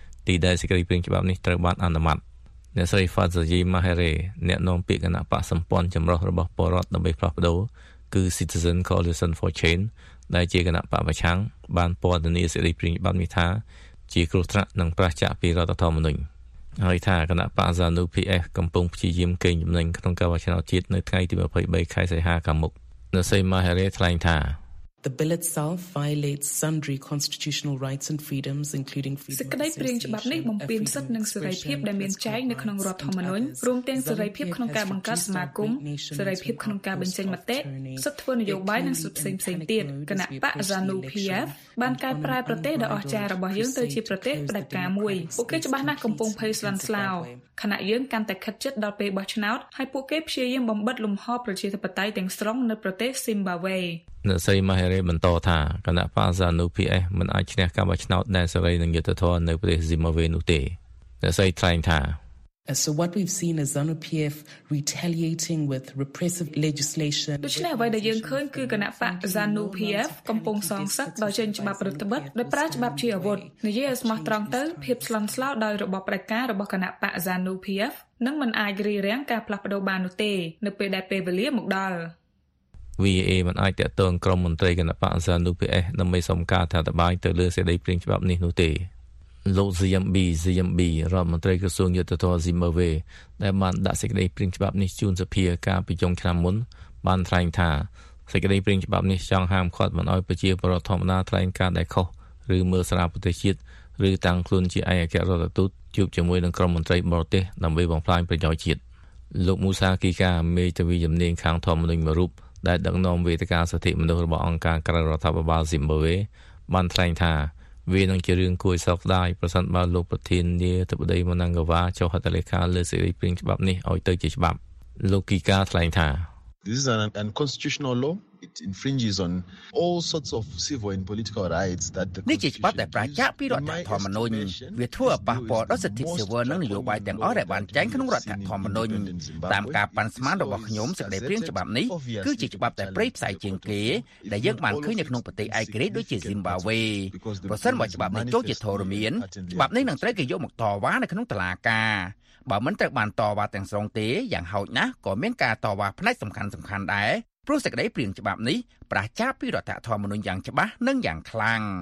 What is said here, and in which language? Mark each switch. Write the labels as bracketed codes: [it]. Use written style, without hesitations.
[km] ទីដែលសេចក្តីព្រាងច្បាប់នេះត្រូវបានអនុម័តអ្នកស្រីហ្វាសាយីម៉ាហេរេអ្នកនាំពាក្យគណៈបកសម្ព័ន្ធចម្រុះរបស់ពលរដ្ឋដើម្បីផ្លាស់ប្តូរគឺ Citizen Coalition for Change ដែលជាគណៈបកប្រឆាំងបានព័ត៌មានសេចក្តីព្រាងច្បាប់នេះថាជាគ្រោះថ្នាក់និងប្រឆាំងពីរដ្ឋធម្មនុញ្ញហើយថាគណៈបក ZANU PF កំពុងព្យាយាមកេងចំណេញក្នុងការបោះឆ្នោតជាតិនៅថ្ងៃទី23ខែសីហាខាងមុខនៅសេម៉ាហេរេថ្លែងថា [en] The bill itself violates sundry constitutional rights and freedoms, including freedom of association. [km] សេចក្តីព្រាងច្បាប់នេះបំពានសិទ្ធិនិងសេរីភាពដែលមានចែងនៅក្នុងរដ្ឋធម្មនុញ្ញរួមទាំងសេរីភាពក្នុងការបង្កើតសមាគមសេរីភាពក្នុងការបញ្ចេញមតិសិទ្ធិធ្វើនយោបាយនិងសិទ្ធិផ្សេងៗទៀត។គណៈបក ZANU PF បានកែប្រែប្រទេសដ៏អស្ចារ្យរបស់យើងទៅជាប្រទេសផ្តាច់ការមួយ។ពួកគេច្បាស់ណាស់កំពុងភ័យស្លន់ស្លោ។ខណៈយើងកាន់តែខិតជិតដល់ពេលបោះឆ្នោតហើយពួកគេព្យាយាមបំបិទលំហប្រជាធិបតេយ្យទាំងស្រុងនៅប្រទេសស៊ីមបាវេ អ្នកស្រីម៉ាហេរេបន្តថាគណៈបក ZANU PF មិនអាចឈ្នះការបោះឆ្នោតដែលសេរីនិងយុត្តិធម៌នៅប្រទេសស៊ីមបាវេនោះទេអ្នកស្រីថ្លែងថា [en] So what we've seen is ZANU PF retaliating with repressive legislation [km] ដូច្នេះអ្វីដែលយើងឃើញគឺគណៈបក ZANU PF កំពុងសងសឹកដោយចេញច្បាប់រដ្ឋបတ်ដោយប្រើច្បាប់ជាអាវុធនិយាយឲ្យស្មោះត្រង់ទៅភាពស្លន់ស្លោដោយរបបផ្ដាច់ការរបស់គណៈបក ZANU PF នឹងមិនអាចរារាំងការផ្លាស់ប្ដូរបាននោះទេនៅពេលដែលពេលវេលាមកដល់ VA មិនអាចតាក់ទងក្រុមមន្ត្រីគណៈបក ZANU PF ដើម្បីសុំការថតបាយទៅលើសេចក្តីព្រាងច្បាប់នេះនោះទេលោក ZMB រដ្ឋមន្ត្រីក្រសួងយុត្តិធម៌ស៊ីមើវេដែលបានដាក់សេចក្តីព្រាងច្បាប់នេះជូនសភាកាលពីចុងឆ្នាំមុនបានថ្លែងថាសេចក្តីព្រាងច្បាប់នេះចង់ហាមឃាត់មិនឲ្យប្រជាពលរដ្ឋធម្មតាថ្លែងការដែលខុសឬមើលស្រាលប្រទេសជាតិឬតាំងខ្លួនជាឯកអគ្គរដ្ឋទូតជួបជាមួយនឹងក្រុមមន្ត្រីបរទេសដើម្បីបំផ្លាញប្រយោជន៍ជាតិ លោកមូសាគីការមេធាវីជំនាញខាងធម្មនុញ្ញមួយរូបដែលដឹកនាំវេទិកាសិទ្ធិមនុស្សរបស់អង្គការក្រៅរដ្ឋាភិបាលស៊ីមបាវេបានថ្លែងថាវានឹងជារឿងគួរឲ្យសោកស្ដាយប្រសិនបើលោកប្រធាននាយកដ្ឋានមនង្កាវ៉ាចុះហត្ថលេខាលើសេចក្តីព្រាងច្បាប់នេះឲ្យទៅជាច្បាប់លោកគីការថ្លែងថា [en] This is an unconstitutional law it infringes on all sorts of civil and political rights that the constitution [km] នេះជាច្បាប់ដែលប្រឆាំងពីរដ្ឋធម្មនុញ្ញវាធ្វើឲ្យប៉ះពាល់ដល់សិទ្ធិសេរីនិងនយោបាយទាំងអស់ដែលបានចែងក្នុងរដ្ឋធម្មនុញ្ញតាមការប៉ាន់ស្មានរបស់ខ្ញុំសេចក្តីព្រាងច្បាប់នេះគឺជាច្បាប់ដែលប្រៃផ្សាយជាងគេដែលយើងបានឃើញនៅក្នុងប្រទេសឯករាជ្យដូចជាស៊ីមបាវេប្រសិនបើច្បាប់នេះចូលជាធរមានច្បាប់នេះនឹងត្រូវគេយកមកតវ៉ានៅក្នុងតុលាការបើមិនត្រូវបានតវ៉ាទាំងស្រុងទេយ៉ាងហោចណាស់ក៏មានការតវ៉ាផ្នែកសំខាន់ៗដែរព្រោះសេចក្តីព្រាងច្បាប់នេះប្រឆាំងពីរដ្ឋធម្មនុញ្ញយ៉ាងច្បាស់និងយ៉ាងខ្លាំង